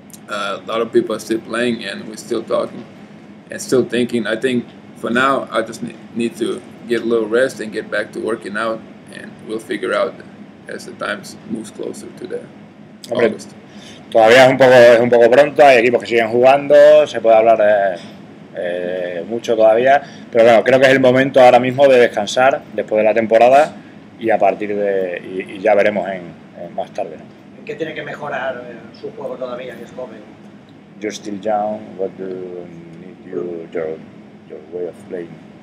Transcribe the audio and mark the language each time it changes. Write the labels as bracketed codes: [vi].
[en] A lot of people are still playing, and we're still talking and still thinking. I think for now, I just need to get a little rest and get back to working out, and we'll figure out as the time moves closer to the August. [es] Todavía es un poco pronto. Hay equipos que siguen jugando. Se puede hablar de mucho todavía, pero bueno, creo que es el momento ahora mismo de descansar después de la temporada, y a partir de y ya veremos en más tarde, ¿no? ¿En qué tiene que mejorar su juego todavía, que es joven? [en] You're still young. What do you need your way of playing?